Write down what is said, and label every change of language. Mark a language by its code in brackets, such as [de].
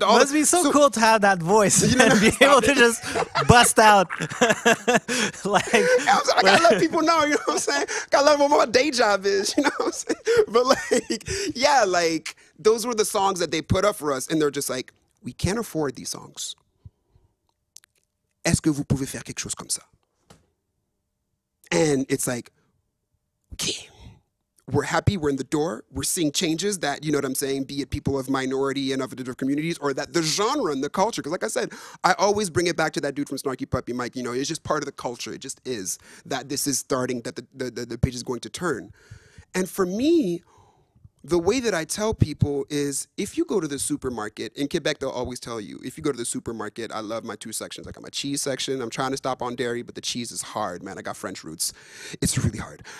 [en] It must be so cool to have that voice, you know, and be able to just bust out. Like, yeah, I gotta let people know, you know what I'm saying? Gotta let them know what my day job is, you know what I'm saying? But like, yeah, like, those were the songs that they put up for us. And they're just like, we can't afford these songs. [fr] Est-ce que vous pouvez faire quelque chose comme ça? [en] And it's like, okay, we're happy, we're in the door, we're seeing changes that, you know what I'm saying, be it people of minority and of different communities, or that the genre and the culture, because like I said, I always bring it back to that dude from Snarky Puppy, Mike, you know, it's just part of the culture, it just is, that this is starting, that the page is going to turn. And for me, the way that I tell people is, if you go to the supermarket, in Quebec they'll always tell you, if you go to the supermarket, I love my two sections, I got my cheese section, I'm trying to stop on dairy, but the cheese is hard, man, I got French roots, it's really hard.